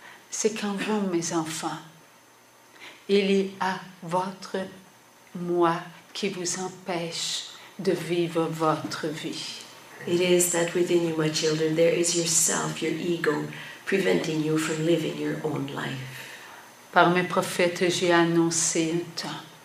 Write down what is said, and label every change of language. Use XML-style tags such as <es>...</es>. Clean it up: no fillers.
<fr>C'est qu'en vous, mes enfants, il y a votre moi qui vous empêche de vivre votre vie.</fr> <en>It is that within you, my children, there is yourself, your ego, preventing you from living your own life.</en> <fr>Par mes prophètes, j'ai annoncé un temps.</fr>